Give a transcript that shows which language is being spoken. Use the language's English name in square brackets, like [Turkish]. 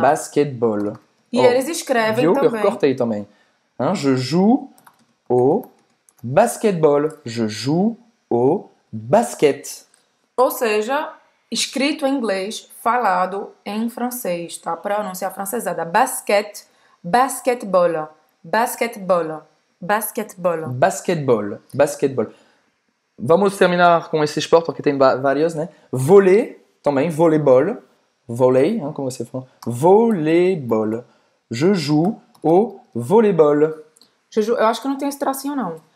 [Portuguese] Basketball. E eles Oh, escrevem viu? Eu também. cortei também. Hein? [French] Je joue au basketball. Je joue au basket. [Portuguese] Ou seja, escrito em inglês, falado em francês, tá? Pronúncia francesada. Basket, basketball, basketball, basketball. Basketball, basketball. Vamos terminar com esse esporte, porque tem vários, né? Voler, também, voleibol. [French] Volley, hein, comment c'est français? Volleyball. Je joue au volleyball. Je joue. Je pense que non, c'est une extension, non.